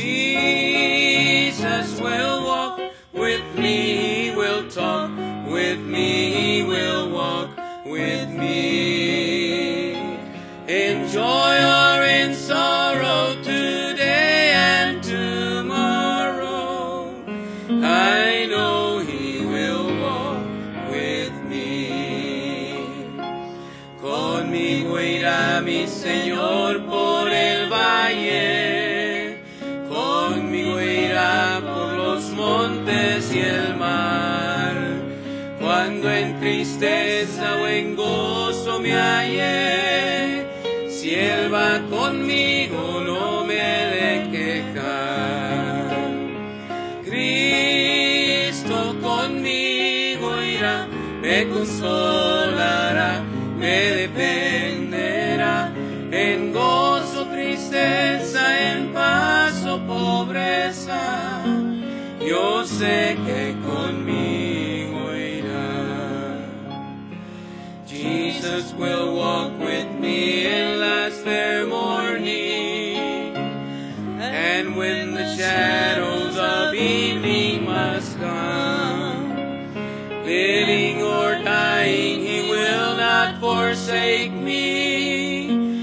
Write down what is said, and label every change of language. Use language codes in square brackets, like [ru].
[en] Jesus will walk with me, he will talk with me, he will walk with me. In joy or in sorrow, today and tomorrow, I know he will walk with me. [es] Con mi guía, mi Señor, por el valle. Con mi guía, por los montes y el mar. Cuando en tristeza o en gozo me hallé, si él va conmigo, no me he de quejar. Cristo conmigo irá, me consolará, me defenderá. En gozo, tristeza, en paz o pobreza, yo sé que conmigo irá. [en] Jesus will walk with me in fair morning, and when the shadows of evening must come, living or dying, he will not forsake me.